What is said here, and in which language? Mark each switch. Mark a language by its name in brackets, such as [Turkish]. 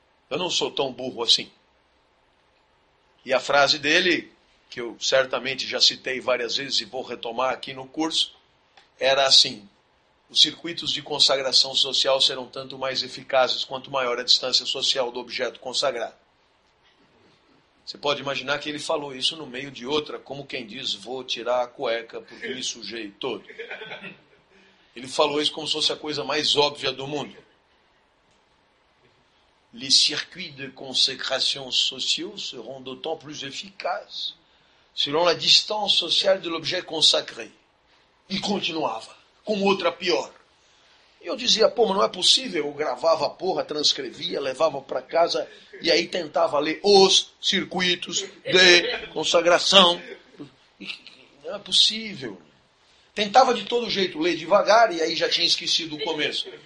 [Portuguese] Eu não sou tão burro assim. E a frase dele, que eu certamente já citei várias vezes e vou retomar aqui no curso, era assim: os circuitos de consagração social serão tanto mais eficazes quanto maior a distância social do objeto consagrado. Você pode imaginar que ele falou isso no meio de outra, como quem diz: vou tirar a cueca porque me sujei todo. Ele falou isso como se fosse a coisa mais óbvia do mundo. [French] Les circuits de consagration sociaux seront d'autant plus efficaces selon la distance sociale de l'objet consacré. [Portuguese] E continuava, com outra pior. E eu dizia: pô, mas não é possível. Eu gravava a porra, transcrevia, levava para casa e aí tentava ler os circuitos de consagração. E não é possível. Tentava de todo jeito ler devagar e aí já tinha esquecido o começo.